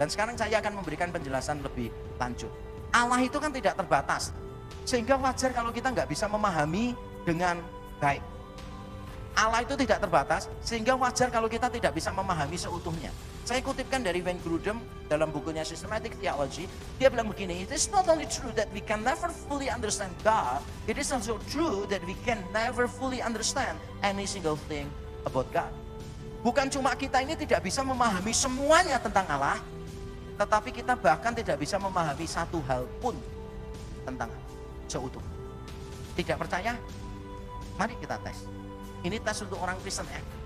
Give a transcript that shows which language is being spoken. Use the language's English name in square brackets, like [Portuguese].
[Indonesian] Dan sekarang saya akan memberikan penjelasan lebih lanjut. Allah itu kan tidak terbatas, sehingga wajar kalau kita nggak bisa memahami dengan baik. Allah itu tidak terbatas, sehingga wajar kalau kita tidak bisa memahami seutuhnya. Saya kutipkan dari Wayne Grudem dalam bukunya Systematic Theology. Dia bilang begini, [English] it is not only true that we can never fully understand God, it is also true that we can never fully understand any single thing about God. [Indonesian] Bukan cuma kita ini tidak bisa memahami semuanya tentang Allah, tetapi kita bahkan tidak bisa memahami satu hal pun tentang Allah seutuhnya. Tidak percaya? Mari kita tes. Ini tes untuk orang Kristen ya.